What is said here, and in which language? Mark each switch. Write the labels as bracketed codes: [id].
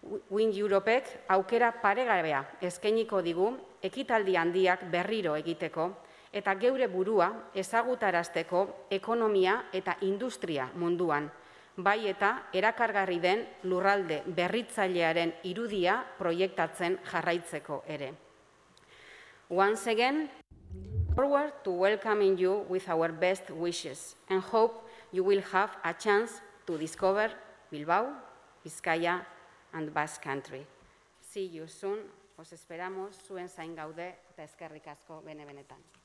[eu] WindEurope-ek aukera paregabea eskainiko digu ekitaldi handiak berriro egiteko eta geure burua ezagutarazteko ekonomia eta industria munduan, bai eta erakargarri den lurralde berritzailearen irudia proiektatzen jarraitzeko ere. [en] Once again, forward to welcoming you with our best wishes and hope you will have a chance to discover Bilbao, Bizkaia and Basque Country. See you soon. [es] Os esperamos [eu] zuen zain gaude eta eskerrik asko bene benetan.